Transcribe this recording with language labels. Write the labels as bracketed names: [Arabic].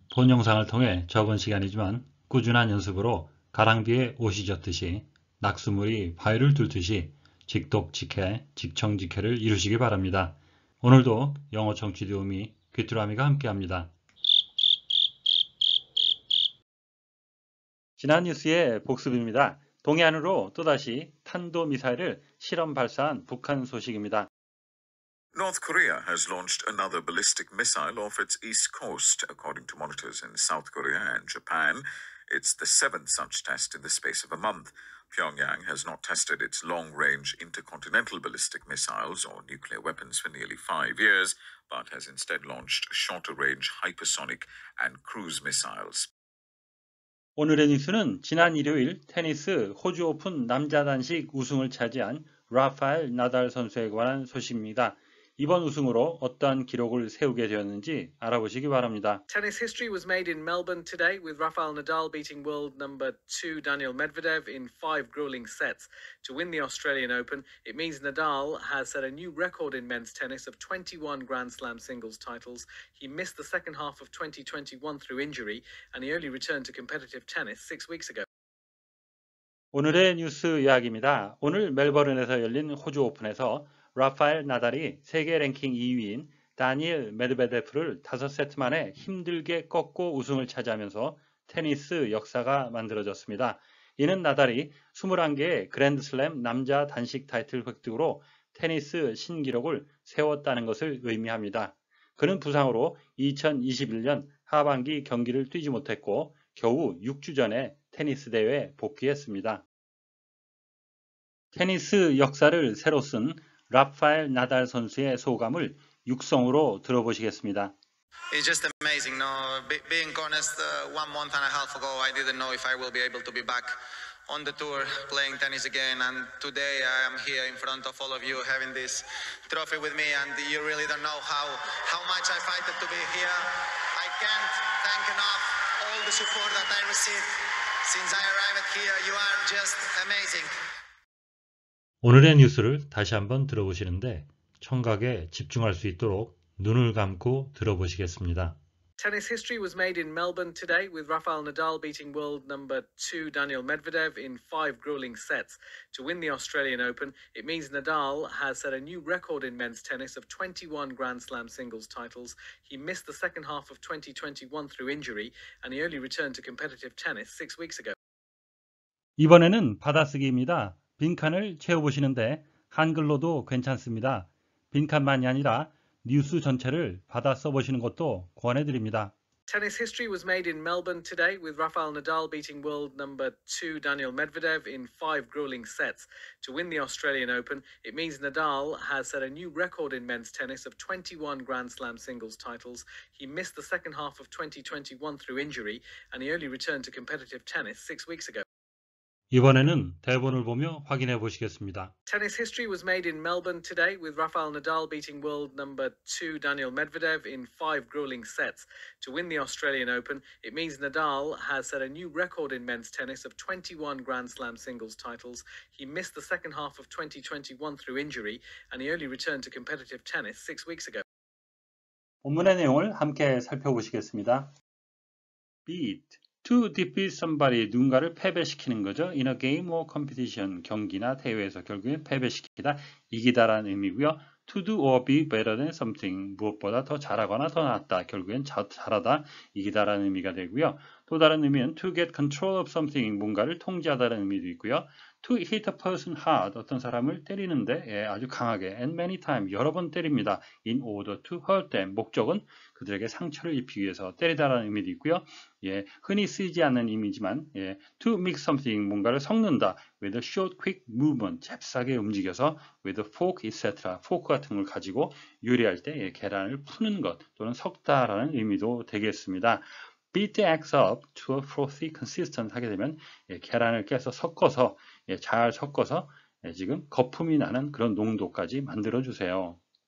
[Korean] 본 영상을 통해 저번 시간이지만 꾸준한 연습으로 가랑비에 옷이 젖듯이 낙수물이 바위를 뚫듯이 직독직해, 직청직해를 이루시기 바랍니다. 오늘도 영어 청취 도우미 귀뚜라미가 함께합니다. 지난 뉴스의 복습입니다. 동해안으로 또다시 탄도미사일을 실험 발사한 북한 소식입니다. [English] North Korea has launched another ballistic missile off its east coast, according to monitors in South Korea and Japan. It's the seventh such test in the space of a month. Pyongyang has not tested its long-range intercontinental ballistic missiles or nuclear weapons for nearly 5 years, but has instead launched shorter-range hypersonic and cruise missiles. [Korean] 오늘의 뉴스는 지난 일요일 테니스 호주 오픈 남자 단식 우승을 차지한 라파엘 나달 선수에 관한 소식입니다. 이번 우승으로 어떠한 기록을 세우게 되었는지 알아보시기 바랍니다. [English] Tennis history was made in Melbourne today with Rafael Nadal beating world number two Daniel Medvedev in five grueling sets to win the Australian Open. It means Nadal has set a new record in men's tennis of 21 Grand Slam singles titles. He missed the second half of 2021 through injury, and he only returned to competitive tennis 6 weeks ago. [Korean] 오늘의 뉴스 이야기입니다. 오늘 멜버른에서 열린 호주 오픈에서 라파엘 나달이 세계 랭킹 2위인 다니엘 메드베데프를 5세트 만에 힘들게 꺾고 우승을 차지하면서 테니스 역사가 만들어졌습니다. 이는 나달이 21개의 그랜드슬램 남자 단식 타이틀 획득으로 테니스 신기록을 세웠다는 것을 의미합니다. 그는 부상으로 2021년 하반기 경기를 뛰지 못했고 겨우 6주 전에 테니스 대회에 복귀했습니다. 테니스 역사를 새로 쓴 라파엘 나달 선수의 소감을 육성으로 들어보시겠습니다. [English] It's just amazing. No, being honest, 1 month and a half ago, I didn't know if I will be able to be back on the tour playing tennis again. And today, I am here in front of all of you, having this trophy with me. And you really don't know how much I fought to be here. I can't thank enough all the support that I received since I arrived here. You are just amazing. [Korean] 오늘의 뉴스를 다시 한번 들어보시는데, 청각에 집중할 수 있도록 눈을 감고 들어보시겠습니다. [English] Tennis history was made in Melbourne today with Rafael Nadal beating world number two Daniel Medvedev in five grueling sets to win the Australian Open. It means Nadal has set a new record in men's tennis of 21 Grand Slam singles titles. He missed the second half of 2021 through injury, and he only returned to competitive tennis 6 weeks ago. [Korean] 이번에는 받아쓰기입니다. 빈칸을 채워보시는데 한글로도 괜찮습니다. 빈칸만이 아니라 뉴스 전체를 받아 써보시는 것도 권해드립니다. [English] Tennis history was made in Melbourne today with Rafael Nadal beating world number two Daniel Medvedev in five grueling sets to win the Australian Open. It means Nadal has set a new record in men's tennis of 21 Grand Slam singles titles. He missed the second half of 2021 through injury, and he only returned to competitive tennis 6 weeks ago. [Korean] 이번에는 대본을 보며 확인해 보시겠습니다. [English] Tennis history was made in Melbourne today with Rafael Nadal beating world number two Daniel Medvedev in five grueling sets to win the Australian Open. It means Nadal has set a new record in men's tennis of 21 Grand Slam singles titles. He missed the second half of 2021 through injury, and he only returned to competitive tennis 6 weeks ago. [Korean] 본문의 내용을 함께 살펴보시겠습니다. Beat. [English] To defeat somebody, [Korean] 누군가를 패배시키는 거죠. [English] In a game or competition, [Korean] 경기나 대회에서 결국에 패배시키다, 이기다라는 의미고요. [English] To do or be better than something, [Korean] 무엇보다 더 잘하거나 더 낫다, 결국엔 잘하다, 이기다라는 의미가 되고요. 또 다른 의미는 [English] to get control of something, [Korean] 뭔가를 통제하다라는 의미도 있고요. [English] To hit a person hard, [Korean] 어떤 사람을 때리는데 예, 아주 강하게, [English] and many times, [Korean] 여러 번 때립니다. [English] In order to hurt them, [Korean] 목적은 그들에게 상처를 입히기 위해서 때리다라는 의미도 있고요. 예, 흔히 쓰이지 않는 의미지만, 예, [English] to make something, [Korean] 뭔가를 섞는다, [English] with a short, quick movement, [Korean] 잽싸게 움직여서, [English] with a fork, etc. [Korean] fork 같은 걸 가지고 요리할 때 예, 계란을 푸는 것, 또는 섞다라는 의미도 되겠습니다. [English] Beat the eggs up to a frothy consistent [Korean] 하게 되면 예, 계란을 깨서 섞어서 예, 잘 섞어서 예, 지금 거품이 나는 그런 농도까지 만들어 주세요.